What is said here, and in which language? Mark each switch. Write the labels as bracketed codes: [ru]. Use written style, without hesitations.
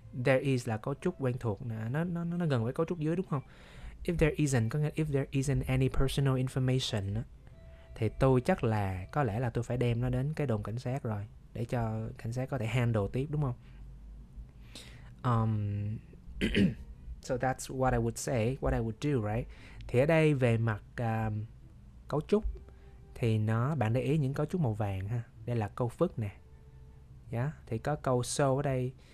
[vi] There is là cấu trúc quen thuộc, nó gần với cấu trúc dưới đúng không? [en] If there isn't, [vi] có nghĩa [en] if there isn't any personal information [vi] thì tôi chắc là có lẽ là tôi phải đem nó đến cái đồn cảnh sát rồi để cho cảnh sát có thể handle tiếp đúng không? [en] So that's what I would say, what I would do, right? [vi] Thì ở đây về mặt cấu trúc thì nó, bạn để ý những cấu trúc màu vàng ha. Đây là câu phức nè. Yeah. Thì có câu so ở đây.